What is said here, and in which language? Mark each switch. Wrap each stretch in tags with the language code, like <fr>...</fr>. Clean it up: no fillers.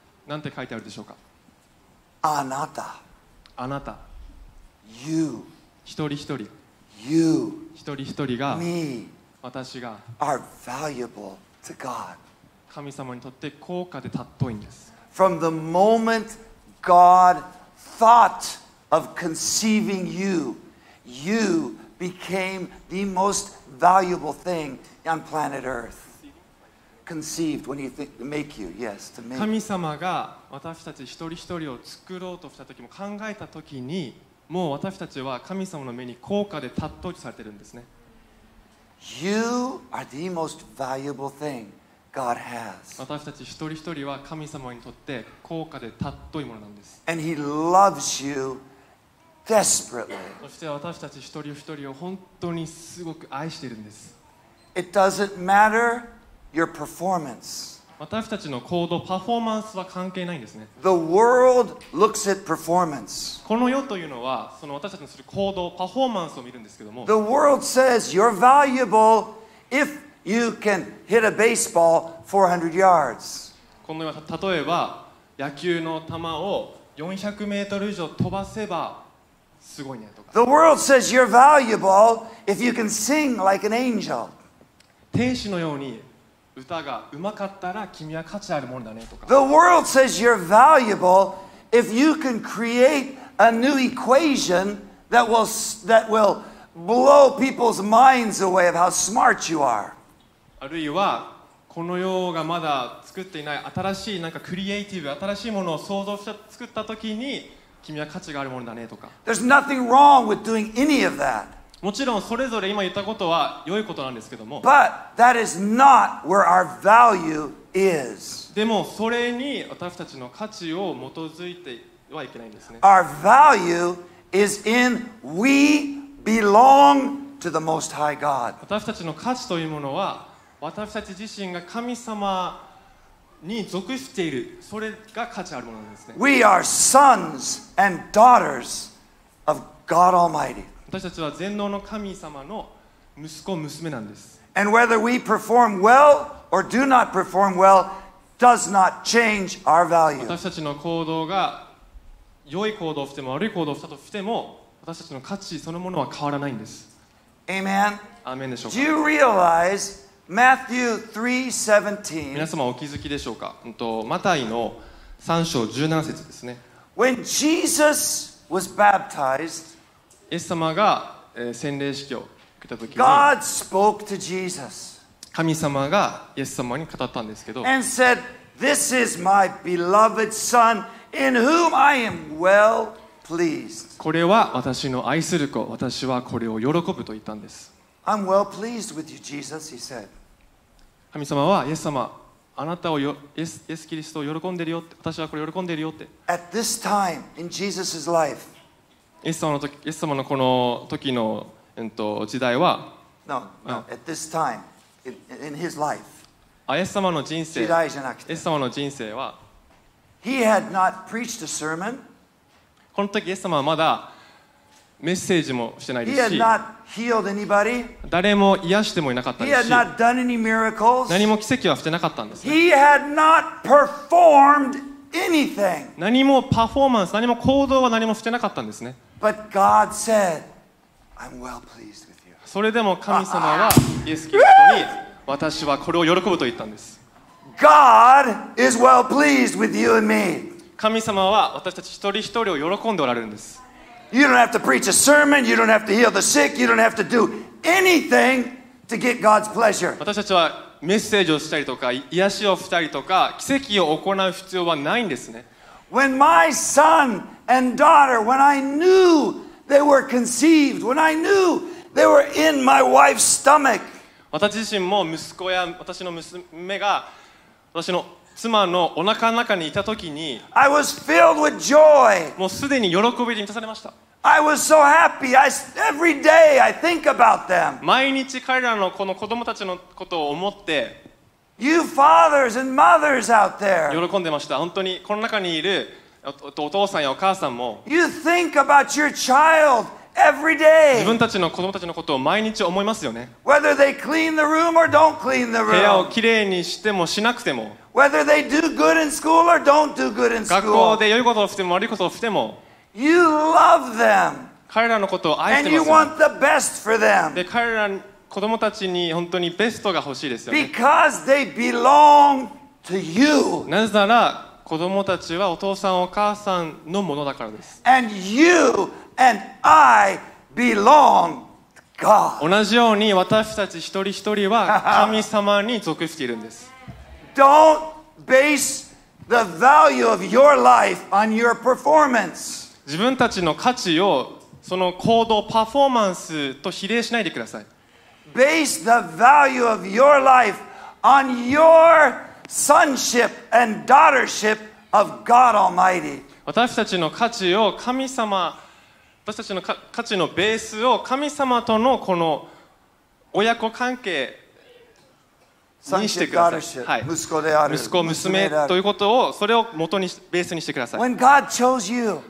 <ja>なんて書いてあるでしょうか。あなた。あなた。</ja> <en>You.</en> <ja>一人一人。</ja> <en>You.</en> <ja>一人一人が。</ja> <en>Me.</en> <ja>私が。</ja> <en>Are valuable to God.</en> <ja>神様にとって高価で尊いんです。</ja> <en>From the moment God thought of conceiving you, you became the most valuable thing on planet Earth. Conceived when you think, make you, yes, to make.</en> <ja>神様が私たち一人一人を作ろうとした時も考えた時に、もう私たちは神様の目に高価で尊いされてるんですね。</ja> <en>You are the most valuable thing God has.</en> <ja>私たち一人一人は神様にとって高価で尊いものなんです。</ja> <en>And He loves you desperately.</en> <ja>そして私たち一人一人を本当にすごく愛しているんです。</ja> <en>It doesn't matter. Your performance.</en> <ja>私たちの行動、パフォーマンスは関係ないんですね。</ja> <en>The world looks at performance.</en> <ja>この世というのは、その私たちのする行動、パフォーマンスを見るんですけども。</ja> <en>The world says you're valuable if you can hit a baseball 400 yards.</en> <ja>この世は、例えば野球の球を400メートル以上飛ばせばすごいねとか。</ja> <en>The world says you're valuable if you can sing like an angel.</en> <ja>天使のように歌が上手かったら君は価値あるものだねとか。</ja> <en>The world says you're valuable if you can create a new equation that will blow people's minds away of how smart you are.</en> <ja>あるいはこの世がまだ作っていない新しいなんかクリエイティブ新しいものを想像して作った時に君は価値があるものだねとか。</ja> <en>There's nothing wrong with doing any of that.</en> <ja>もちろんそれぞれ今言ったことは良いことなんですけども。</ja> <en>But that is not where our value is.</en> <ja>でもそれに私たちの価値を基づいてはいけないんですね。</ja> <en>Our value is in we belong to the Most High God.</en> <ja>私たちの価値というものは私たち自身が神様に属している、それが価値あるものなんですね。</ja> <en>We are sons and daughters of God Almighty.</en> <ja>私たちは全能の神様の息子娘なんです。</ja> <en>And whether we perform well or do not perform well does not change our value.</en> <ja>私たちの行動が良い行動をしても悪い行動をしたとしても、私たちの価値そのものは変わらないんです。</ja> <en>Amen.</en> <ja>アーメンでしょうか。</ja> <en>Do you realize Matthew 3:17?</en> <ja>皆様お気づきでしょうか。マタイの3章17節ですね。</ja> <en>When Jesus was baptized,</en> <ja>イエス様が洗礼式を受けたときに</ja> <en>God spoke to Jesus.</en> <ja>神様がイエス様に語ったんですけど</ja> <en>And said, This is my beloved son in whom I am well pleased.</en> <ja>これは私の愛する子、私はこれを喜ぶと言ったんです。</ja> <en>I'm well pleased with you, Jesus, he said.</en> <ja>神様はイエス様、あなたをイエスキリストを喜んでるよって、私はこれ喜んでるよって。</ja> <en>At this time in Jesus' life,</en> <ja>イエス様の時、イエス様のこの時の、時代は</ja> <en>no, no, at this time, in his life.</en> <ja>あ、イエス様の人生、時代じゃなくて、イエス様の人生は</ja> <en>He had not preached a sermon.</en> <ja>この時イエス様はまだメッセージもしてないですし</ja> <en>He had not healed anybody.</en> <ja>誰も癒してもいなかったですし</ja> <en>He had not done any miracles.</en> <ja>何も奇跡はしてなかったんです、ね、</ja> <en>He had not performed anything.</en> <ja>何もパフォーマンス、何も行動は何もしてなかったんですね。</ja> <en>But God said, I'm well pleased with you.</en> <ja>それでも神様はイエス・キリストに私はこれを喜ぶと言ったんです。</ja> <en>God is well pleased with you and me.</en> <ja>神様は私たち一人一人を喜んでおられるんです。</ja> <en>You don't have to preach a sermon, you don't have to heal the sick, you don't have to do anything to get God's pleasure.</en> <ja>私たちはメッセージをしたりとか癒しをしたりとか奇跡を行う必要はないんですね。</ja> <en>When my son and daughter, when I knew they were conceived, when I knew they were in my wife's stomach,</en> <ja>私自身も息子や私の娘が私の妻のお腹の中にいた時に</ja> <en>I was filled with joy.</en> <ja>もうすでに喜びで満たされました。</ja> <en>I was so happy. Every day I think about them.</en> <ja>毎日彼らのこの子供たちのことを思って</ja> <en>You fathers and mothers out there.</en> <ja>喜んでました。本当にこの中にいるお父さんやお母さんも</ja> <en>You think about your child every day.</en> <ja>自分たちの子供たちのことを毎日思いますよね。</ja> <en>Whether they clean the room or don't clean the room.</en> <ja>部屋をきれいにしてもしなくても</ja> <en>Whether they do good in school or don't do good in school.</en> <ja>学校で良いことをしても悪いことをしても</ja> <en>You love them.</en> <ja>彼らのことを愛してますよ。</ja> <en>And you want the best for them.</en> <ja>で、彼ら子供たちに本当にベストが欲しいですよね。</ja> <en>Because they belong to you.</en> <ja>なぜなら子供たちはお父さんお母さんのものだからです。</ja> <en>And you and I belong to God.</en> <ja>同じように私たち一人一人は神様に属しているんです。</ja> <en>Don't base the value of your life on your performance.</en> <ja>自分たちの価値をその行動パフォーマンスと比例しないでください。</ja> <en>Base the value of your life on your sonship and daughtership of God Almighty.</en> <ja>私たちの価値を神様、私たちの価値のベースを神様とのこの親子関係にしてください。はい、息子である。息子娘ということをそれを元にベースにしてください。</ja> <en>When God chose you,</en>